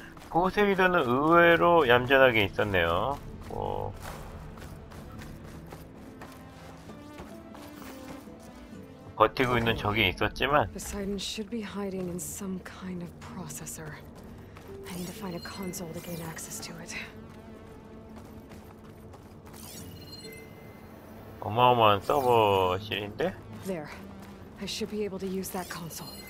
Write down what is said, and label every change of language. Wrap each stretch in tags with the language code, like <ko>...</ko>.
<ko>포세이돈은 의외로 얌전하게 있었네요. 오. 버티고 있는 적이 있었지만</ko> <en>Poseidon should be hiding in some kind of processor. I need to find a console to gain access to it.</en> <ko>어마어마한 서버실인데?</ko> <en>There. I should be able to use that console.</en>